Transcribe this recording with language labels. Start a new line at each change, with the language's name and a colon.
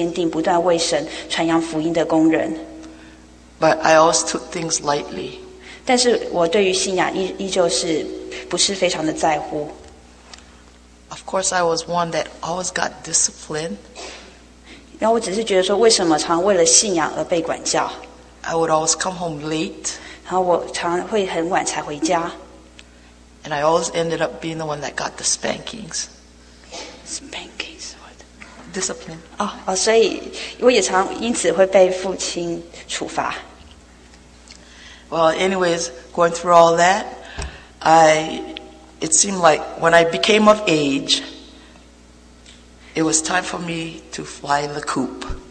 Chinese: 然后在过去这些年来，我们还是照样子去教会，但是我的父亲他是个信心坚定，不断为神传扬福音的工人。
English: But I always took things lightly.
Chinese: 但是我对于信仰依旧是不是非常的在乎。
English: Of course, I was one that always got disciplined.
Chinese: 然后我只是觉得说，为什么常为了信仰而被管教？
English: I would always come home late.
Chinese: 然后我常会很晚才回家。
English: And I always ended up being the one that got the spankings. Spankings, what? Discipline.
Chinese: 所以我也常因此会被父亲处罚。
English: Well, anyways, going through all that, it seemed like when I became of age, it was time for me to fly the coop.